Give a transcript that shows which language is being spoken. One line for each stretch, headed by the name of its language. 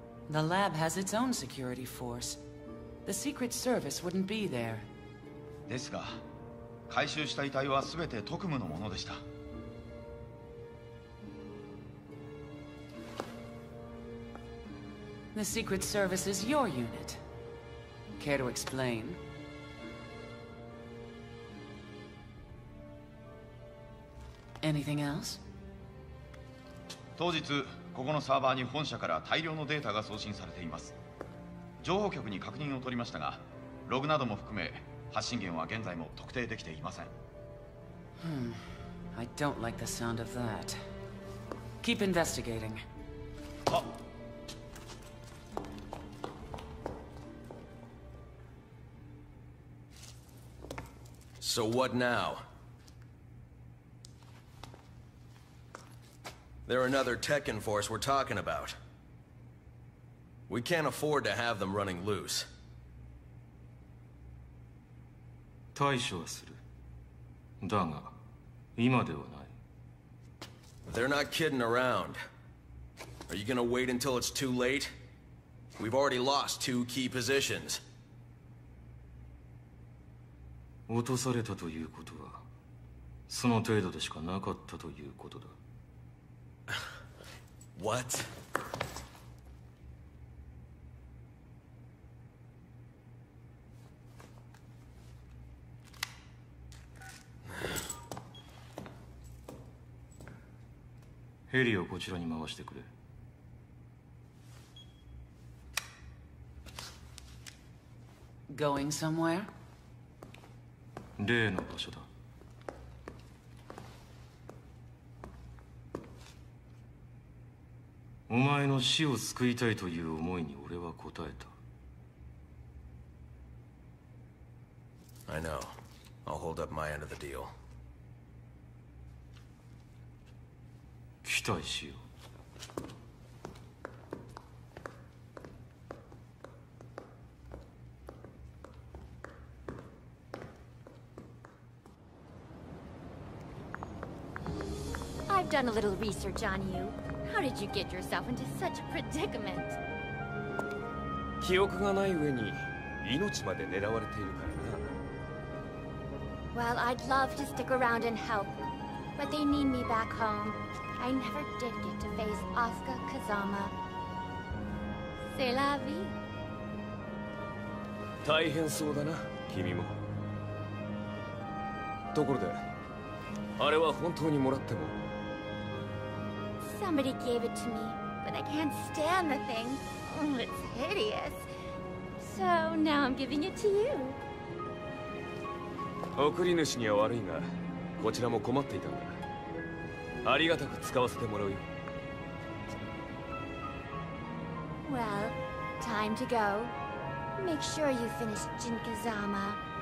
English: The lab has its own security force. The secret service wouldn't be there.
Japanese: ですが、回収した遺体はすべて特務のものでした。
English: The secret service is your unit. Care to explain? Anything else?
Japanese: 当日ここのサーバーに本社から大量のデータが送信されています。情報局に確認を取りましたが、ログなども含め発信源は現在も特定できていません。
English: I don't like the sound of that. Keep investigating. はっ。So what now? They're another Tekken force we're talking about. We can't afford to have them running loose.
Japanese: 対処はする。だが、今ではない。
English: They're not kidding around. Are you gonna wait until it's too late? We've already lost two key positions.
Japanese: 落とされたということは、その程度でしかなかったということだ。
English: What?
Japanese: ヘリをこちらに回してくれ。
English: Going somewhere?
Japanese: 例の場所だ。お前の死を救いたいという思いに俺は応えた。
English: I know. I'll hold up my end of the deal.
Japanese: 期待しよう。
English: I've done a little research on you. How did you get yourself into such a predicament?
Japanese: 記憶がない上に命まで狙われているからな。
English: Well, I'd love to stick around and help, but they need me back home. I never did get to face Asuka Kazama.
French: C'est la vie.
Japanese: 大変そうだな、君も。ところで、あれは本当にもらっても。
English: Somebody gave it to me, but I can't stand the thing. It's hideous. So now I'm giving it to you.
Japanese: 送り主には悪いが、こちらも困っていたんだ。ありがたく使わせてもらうよ。
English: Well, time to go. Make sure you finish Jinkazama.